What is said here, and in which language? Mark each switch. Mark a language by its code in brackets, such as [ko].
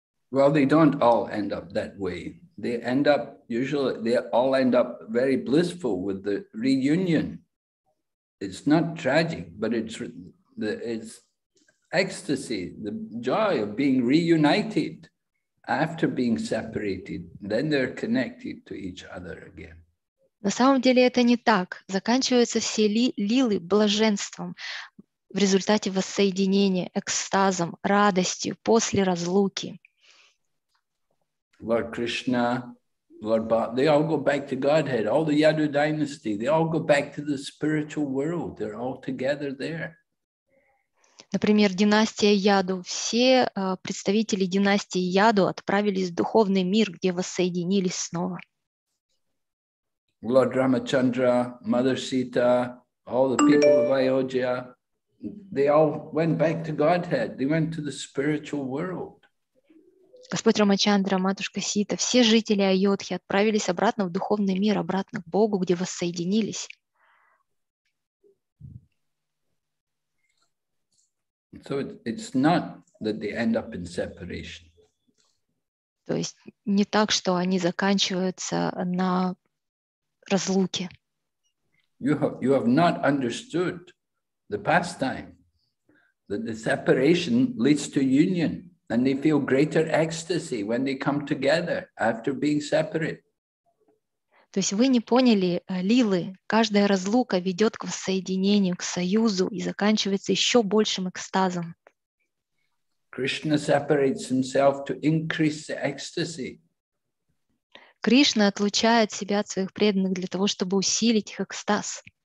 [en] Well, they don't all end up that way. They end up, usually, they all end up very blissful with the reunion. It's not tragic, but it's ecstasy, the joy of being reunited after being separated. Then they're connected to each other again. [ru] На самом деле это не так. Заканчиваются все лилы блаженством в результате воссоединения, экстазом, радостью после разлуки. [en] Lord Krishna, Lord Bhakti, they all go back to Godhead, all the Yadu dynasty, they all go back to the spiritual world. They're all together there. [ru] Например, династия Яду. Все представители династии Яду отправились в духовный мир, где воссоединились снова. [en] Lord Ramachandra, Mother Sita, all the people of Ayodhya, they all went back to Godhead. They went to the spiritual world. [ru] Господь Рамачандра, Матушка Сита, все жители Айодхи отправились обратно в духовный мир, обратно к Богу, где воссоединились. [en] So it's not that they end up in separation. [ru] То есть не так, что они заканчиваются на разлуки. [en] You have not understood the pastime that the separation leads to union and they feel greater ecstasy when they come together after being separate. [ru] То есть вы не поняли лилы. Каждая разлука ведет к воссоединению, к союзу и заканчивается еще большим экстазом. [en] Krishna separates himself to increase the ecstasy. [ru] Кришна отлучает себя от своих преданных для того, чтобы усилить их экстаз.